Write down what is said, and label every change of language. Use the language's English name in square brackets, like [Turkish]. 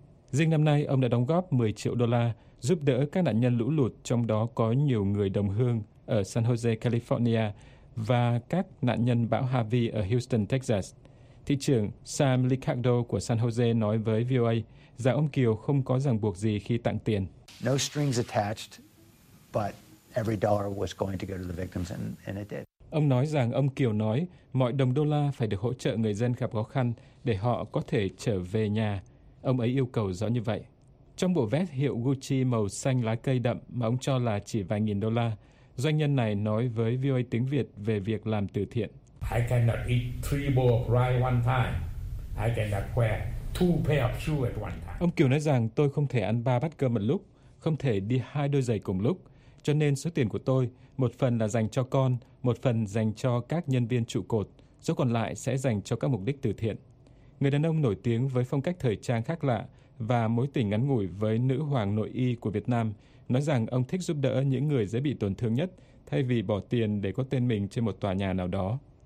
[Vietnamese] Riêng năm nay, ông đã đóng góp 10 triệu đô la giúp đỡ các nạn nhân lũ lụt, trong đó có nhiều người đồng hương ở San Jose, California và các nạn nhân bão Harvey ở Houston, Texas. Thị trưởng Sam Licardo của San Jose nói với VOA rằng ông Kiều không có ràng buộc gì khi tặng tiền. [English] No strings attached, but every dollar was going to go to the victims, and it did. [Vietnamese] Ông nói rằng ông Kiều nói mọi đồng đô la phải được hỗ trợ người dân gặp khó khăn để họ có thể trở về nhà. Ông ấy yêu cầu rõ như vậy. Trong bộ vest hiệu Gucci màu xanh lá cây đậm mà ông cho là chỉ vài nghìn đô la, doanh nhân này nói với VOA tiếng Việt về việc làm từ thiện. [English] I cannot eat three bowl of rice one time. I cannot wear two pair of shoes at one time. [Vietnamese] Ông Kiều nói rằng tôi không thể ăn ba bát cơm một lúc, không thể đi hai đôi giày cùng lúc. Cho nên số tiền của tôi, một phần là dành cho con, một phần dành cho các nhân viên trụ cột, số còn lại sẽ dành cho các mục đích từ thiện. Người đàn ông nổi tiếng với phong cách thời trang khác lạ và mối tình ngắn ngủi với nữ hoàng nội y của Việt Nam nói rằng ông thích giúp đỡ những người dễ bị tổn thương nhất thay vì bỏ tiền để có tên mình trên một tòa nhà nào đó.